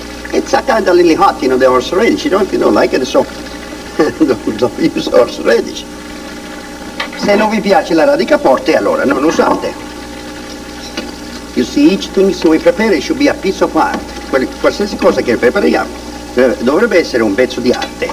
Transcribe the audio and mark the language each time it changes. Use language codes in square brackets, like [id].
[en] It's a kind of little hot, you know, the horse radish, you know, if you don't like it, so don't use horse radish. [it] Se non vi piace la radica forte, allora non usate. [en] You see, each thing we prepare should be a piece of art. [it] Qualsiasi cosa che prepariamo dovrebbe essere un pezzo di arte.